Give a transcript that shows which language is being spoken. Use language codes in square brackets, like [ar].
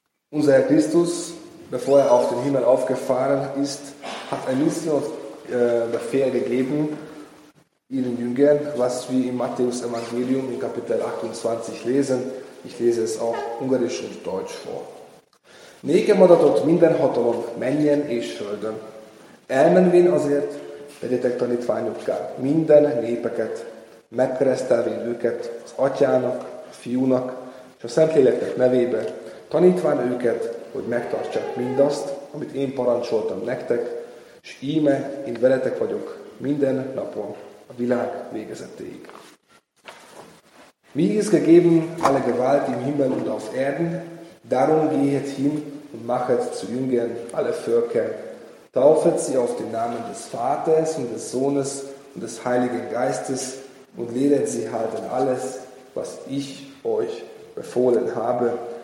[de] Unser Herr Christus, bevor er auf den Himmel aufgefahren ist, hat ein Missionsbefehl gegeben, ihren Jüngern, was wir im Matthäus Evangelium in Kapitel 28 lesen. Ich lese es auch Ungarisch und Deutsch vor. [hu] Nege modat ott minden hatalom, menjen és földön. Elmenvén azért, legyetek tanítványokká minden népeket, megkeresztelvén őket az atyának, a fiúnak és a Szentléleknek nevébe, tanítván őket, hogy megtartsák mindazt, amit én parancsoltam nektek, és íme én veletek vagyok minden napon a világ végezetéig. [de] Mir ist gegeben alle Gewalt im Himmel und auf Erden, darum gehet hin und machet zu Jüngern alle Völker. Taufet sie auf den Namen des Vaters und des Sohnes und des Heiligen Geistes und lehret sie halten alles, was ich euch befohlen habe.